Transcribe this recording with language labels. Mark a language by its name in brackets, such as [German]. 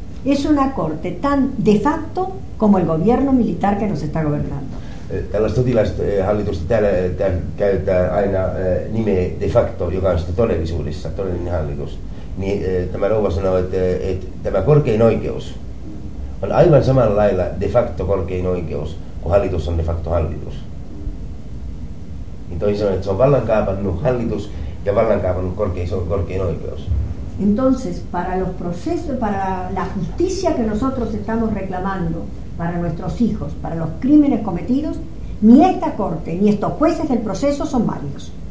[Spanish] Es una corte tan de facto como el gobierno militar que nos está gobernando. [Finnish] Tällaista sotilashallitusta täällä käyttää aina nime de facto, joka on sitten todellisuudessa todellinen hallitus. Niin tämä rouva sanoo, että tämä korkein oikeus on aivan samalla lailla de facto korkein oikeus, kun hallitus on de facto hallitus. [Spanish] Entonces, son [Finnish] vallankaapannut hallitus ja vallankaapannut korkein oikeus. [Spanish] Entonces, para los procesos, para la justicia que nosotros estamos reclamando para nuestros hijos, para los crímenes cometidos, ni esta corte ni estos jueces del proceso son válidos.